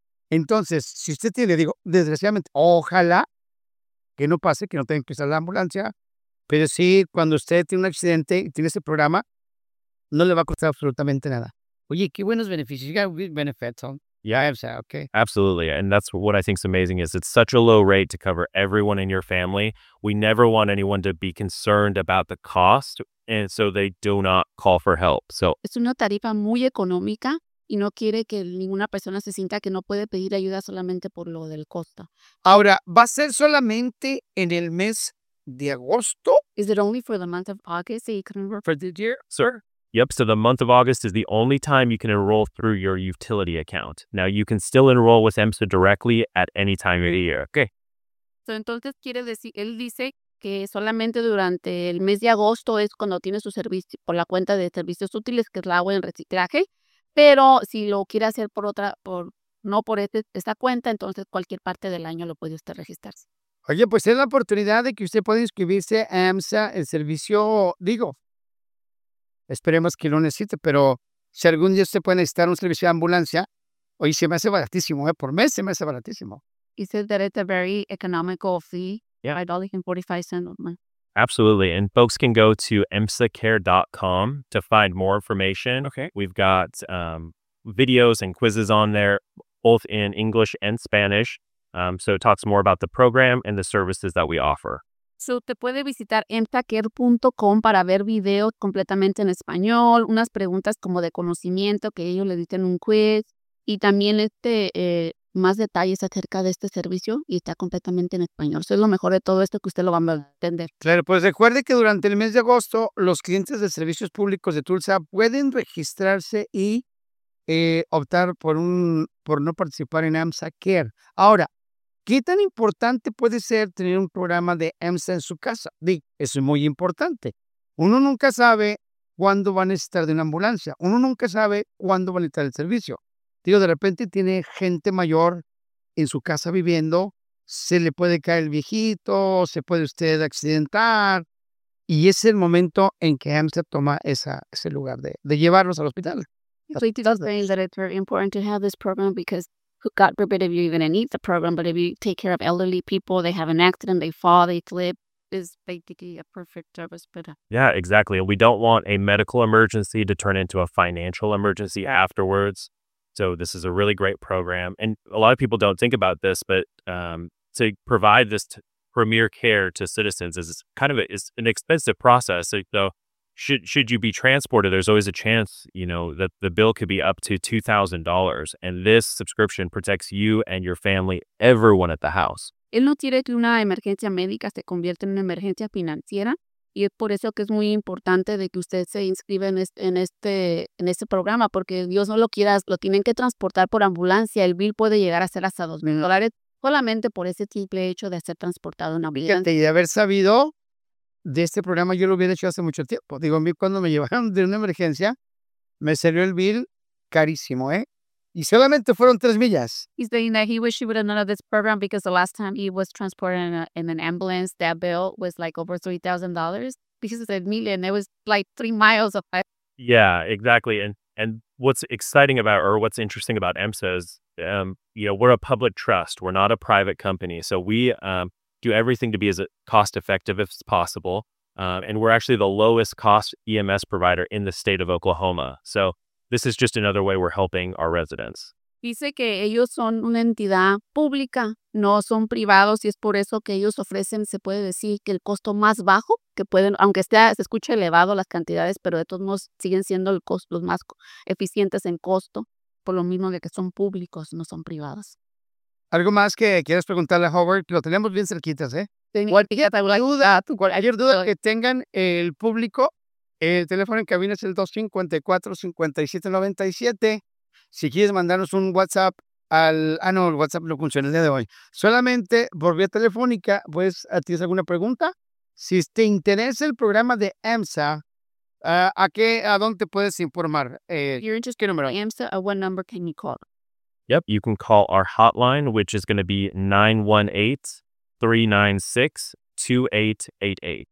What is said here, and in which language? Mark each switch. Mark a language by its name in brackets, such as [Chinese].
[Spanish] Entonces, si usted tiene, digo, desgraciadamente, ojalá que no pase, que no tenga que usar la ambulancia, pero sí, cuando usted tiene un accidente y tiene ese programa, no le va a costar absolutamente nada. Oye, qué buenos beneficios. [English] You got good benefits, huh? Yeah, AMSA, okay. Absolutely. And that's what I think is amazing is it's such a low rate to cover everyone in your family. We never want anyone to be concerned about the cost. And so they do not call for help. So [Spanish] es una tarifa muy económica y no quiere que ninguna persona se sienta que no puede pedir ayuda solamente por lo del costo. Ahora, ¿va a ser solamente en el mes de agosto? [English] Is it only for the month of August that you can enroll for this year? Sure. Yep, so the month of August is the only time you can enroll through your utility account. Now, you can still enroll with AMSA directly at any time of the year. Okay. [Spanish] So entonces quiere decir, él dice que solamente durante el mes de agosto es cuando tiene su servicio por la cuenta de servicios útiles, que es la agua en reciclaje, pero si lo quiere hacer por otra, por no por esta cuenta, entonces cualquier parte del año lo puede usted registrarse. Oye, pues es la oportunidad de que usted pueda inscribirse a AMSA, el servicio, digo, esperemos que lo necesite, pero si algún día usted puede necesitar un servicio de ambulancia, oye, se me hace baratísimo, por mes se me hace baratísimo. [English] You said that it's a very economical fee. Yeah. $5.45 a month. Absolutely. And folks can go to AMSAcare.com to find more information. Okay. We've got videos and quizzes on there, both in English and Spanish. So it talks more about the program and the services that we offer. [Spanish] So, te puede visitar emsacare.com para ver videos completamente en español, unas preguntas como de conocimiento que ellos le dicen un quiz, y también más detalles acerca de este servicio, y está completamente en español. Eso es lo mejor de todo esto, que usted lo va a entender. Claro, pues recuerde que durante el mes de agosto, los clientes de servicios públicos de Tulsa pueden registrarse y optar por no participar en AMSA Care. Ahora, ¿qué tan importante puede ser tener un programa de AMSA en su casa? Eso es muy importante. Uno nunca sabe cuándo va a necesitar de una ambulancia. Uno nunca sabe cuándo va a necesitar el servicio. Digo, de repente tiene gente mayor en su casa viviendo, se le puede caer el viejito, se puede usted accidentar, y es el momento en que AMSA toma ese lugar de llevarlos al hospital. [English] So it does mean that it's very important to have this program because God forbid if you even need the program, but if you take care of elderly people, they have an accident, they fall, they slip, is basically a perfect service. But yeah, exactly. We don't want a medical emergency to turn into a financial emergency afterwards. So this is a really great program. And a lot of people don't think about this, but to provide this premier care to citizens is kind of an expensive process. So should you be transported, there's always a chance, you know, that the bill could be up to $2,000. And this subscription protects you and your family, everyone at the house. [Spanish] Él no quiere que una emergencia médica se convierta en una emergencia financiera. Y es por eso que es muy importante de que usted se inscriba en este programa, porque Dios no lo quiera, lo tienen que transportar por ambulancia. El bill puede llegar a ser hasta $2,000 solamente por ese simple hecho de ser transportado en ambulancia. Fíjate, y de haber sabido de este programa, yo lo hubiera hecho hace mucho tiempo. Digo, a mí cuando me llevaron de una emergencia, me salió el bill carísimo, ¿eh? Y solamente fueron 3 millas. [English] He's saying that he wish he would have known of this program because the last time he was transported in an ambulance, that bill was like over $3,000 because it's a million. It was like 3 miles of it. Yeah, exactly. And what's exciting about, or what's interesting about EMSA is, you know, we're a public trust. We're not a private company. So we do everything to be as cost effective as possible. And we're actually the lowest cost EMS provider in the state of Oklahoma. So this is just another way we're helping our residents. [Spanish] Dice que ellos son una entidad pública, no son privados, y es por eso que ellos ofrecen, se puede decir, que el costo más bajo que pueden, aunque se escuche elevado las cantidades, pero de todos modos siguen siendo los más eficientes en costo, por lo mismo de que son públicos, no son privados. ¿Algo más que quieras preguntarle a Howard? Lo tenemos bien cerquitas, ¿eh? Cualquier duda que tengan, el público, el teléfono en cabina es el 254-5797. Si quieres mandarnos un WhatsApp el WhatsApp no funciona el día de hoy. Solamente por vía telefónica, pues, ¿tienes alguna pregunta? Si te interesa el programa de AMSA, ¿a dónde te puedes informar? ¿Qué número? [English] AMSA, what number can you call? Yep, you can call our hotline, which is going to be 918-396-2888.